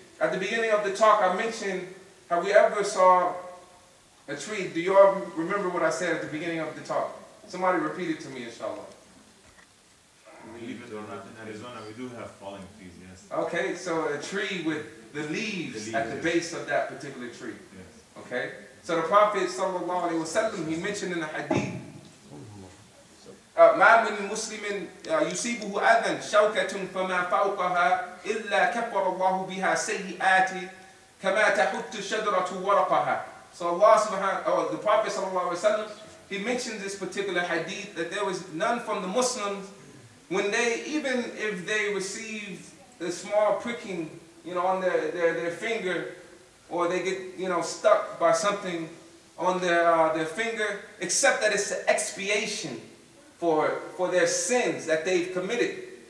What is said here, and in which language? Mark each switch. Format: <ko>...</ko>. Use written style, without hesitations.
<en>At the beginning of the talk, I mentioned, have we ever saw a tree? Do you all remember what I said at the beginning of the talk? Somebody repeat it to me, inshallah. Believe it or not, in Arizona, we do have falling trees, yes. Okay, so a tree with the leaves at the base of that particular tree. Yes. Okay? So the Prophet, sallallahu alayhi wa sallam, he mentioned in the hadith,</en> <ar>ما من مسلم يصيبه أذى شوكة فما فوقها إلا كفر الله بها سيئات كما تحط الشجرة ورقها.</ar> <en>So Allah subhanahu wa ta'ala, the Prophet sallallahu alayhi wa sallam, he mentioned this particular hadith that there was none from the Muslims when they, even if they received a small pricking, you know, on their finger, or they get, you know, stuck by something on their finger, except that it's an expiation for their sins that they've committed.</en>